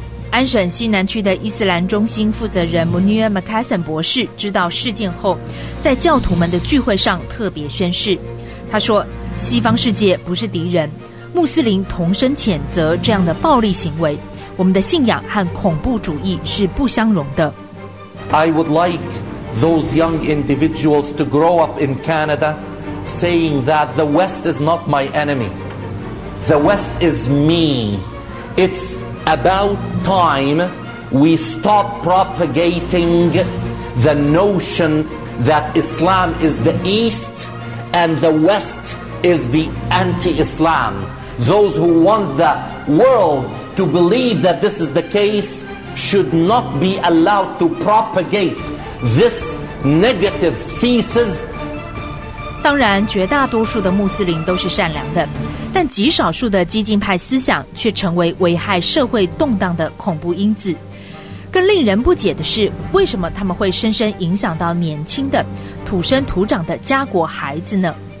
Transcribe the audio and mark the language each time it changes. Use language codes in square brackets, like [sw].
[zh] 安省西南区的伊斯兰中心负责人 Munir McCassin 博士知道事件后，在教徒们的聚会上特别宣誓，他说西方世界不是敌人，穆斯林同声谴责这样的暴力行为，我们的信仰和恐怖主义是不相容的。 [en] I would like those young individuals to grow up in Canada saying that the West is not my enemy, the West is me, it'sAbout time we stop propagating the notion that Islam is the East and the West is the anti-Islam. Those who want the world to believe that this is the case should not be allowed to propagate this negative thesis. [zh] 当然，绝大多数的穆斯林都是善良的。但极少数的激进派思想却成为危害社会动荡的恐怖因子。更令人不解的是，为什么他们会深深影响到年轻的土生土长的加国孩子呢？